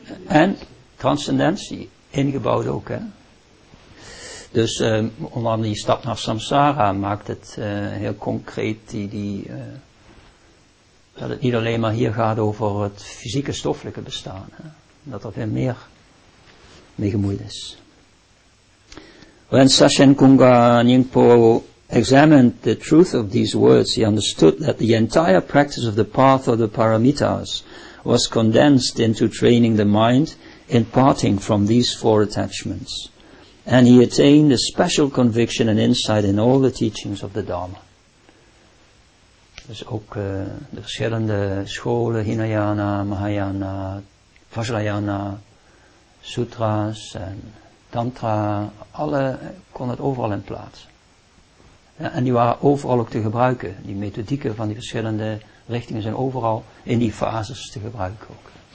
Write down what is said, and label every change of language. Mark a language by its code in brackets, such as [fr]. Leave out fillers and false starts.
[nl] En transcendentie, ingebouwd ook, hè. Dus onder andere die stap naar samsara maakt het heel concreet, dat het niet alleen maar hier gaat over het fysieke stoffelijke bestaan, hè. Dat er veel meer mee gemoeid is. [en] When Sachen Kunga Nyingpo examined the truth of these words, he understood that the entire practice of the path of the paramitas was condensed into training the mind in parting from these four attachments. And he attained a special conviction and insight in all the teachings of the Dharma. [nl] Dus ook de verschillende scholen, Hinayana, Mahayana, Vajrayana, sutras en tantra, alle kon het overal in plaats. Ja, en die waren overal ook te gebruiken. Die methodieken van die verschillende richtingen zijn overal in die fases te gebruiken ook.